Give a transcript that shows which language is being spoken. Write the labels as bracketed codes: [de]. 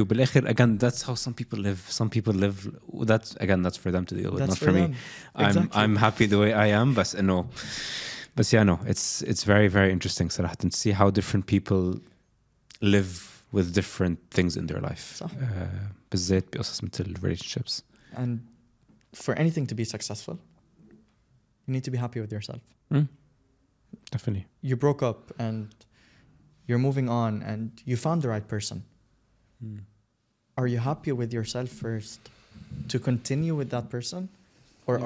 [ar] بالآخر, [en] again, that's how some people live. Some people live, that's for them to deal with, that's not for me. Exactly. I'm happy the way I am, but no. But yeah, no, it's very, very interesting, [ar] صراحة, [en] to see how different people live with different things in their life. [ar] صح. بالذات بقصص مثل [en] relationships. And for anything to be successful, you need to be happy with yourself. Mm. Definitely. You broke up and you're moving on and you found the right person. Mm. Are you happy with yourself first to continue with that person? Or yeah.